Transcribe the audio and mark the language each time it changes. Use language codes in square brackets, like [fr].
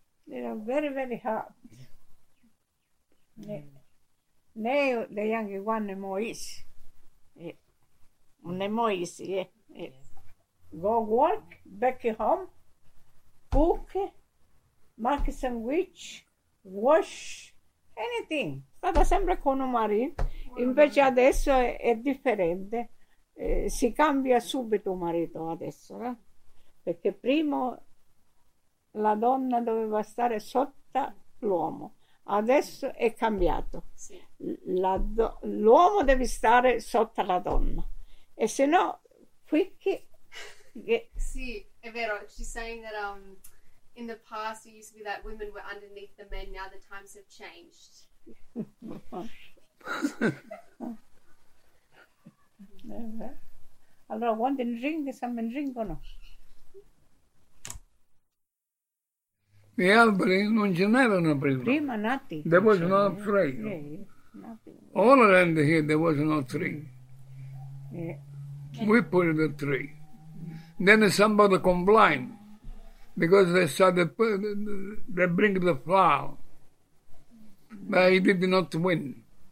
[en] They're very, very hard. Yeah. Now the younger one is more easy. Yeah. More easy, yeah. Go work, back home, cook, make a sandwich, wash, anything. [it] Stata sempre con un marito. Invece adesso è differente. Si cambia subito marito adesso. Eh? Perché prima la donna doveva stare sotto l'uomo. Adesso è cambiato. Sì. L'uomo deve stare sotto la donna. E se no, qui che... Sì, è vero. [en] She's saying that in the past it used to be that women were underneath the men. Now the times have changed. Allora, want a drink? Some drink or no? [it] Gli alberi non ce n'erano prima nati. [en] There was no tree. Yeah, all around here there was no tree. Yeah. We put the tree. Then somebody complained because they said they bring the flower. But he did not win.